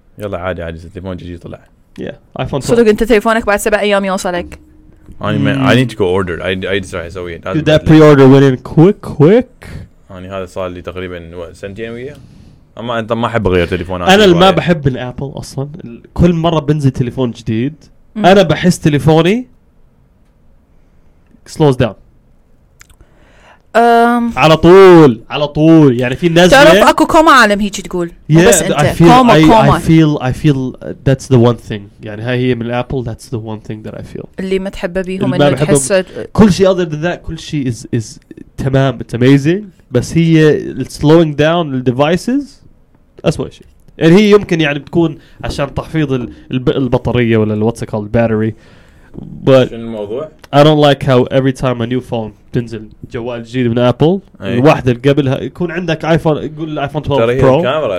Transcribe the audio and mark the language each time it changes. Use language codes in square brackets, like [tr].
[en] Yalla, Adi, Adi, the telephone just came out. Yeah, iPhone [ar] 12. So, انت تليفونك بعد 7 ايام يوصلك. [en] I need to go order. I just try to wait. Did that pre-order went in quick? [ar] انا هذا صار لي تقريبا سنتين ويا. اما انت ما احب اغير تليفونات. انا ما بحب الابل اصلا. كل مره بنزل تليفون جديد انا بحس تليفوني [en] slows down. [ar] على طول على طول يعني في ناس تعرف اكو كوما عالم هيك تقول [en] yeah, [ar] بس انت كوما كوما [en] I feel that's the one thing [ar] يعني هاي هي من الابل [en] that's the one thing that I feel [ar] اللي ما تحبه بيهم اللي تحس كل شيء [en] other than that [ar] كل شيء is تمام [en] it's amazing [ar] بس هي [en] slowing down the devices [ar] اسوء شيء يعني هي يمكن يعني بتكون عشان تحفيظ البطاريه ولا [en] what's it called battery but I don't like how every time a new phone [ar] تنزل جوال جديد من ابل الواحد اللي قبلها يكون عندك ايفون يقول ايفون 12 برو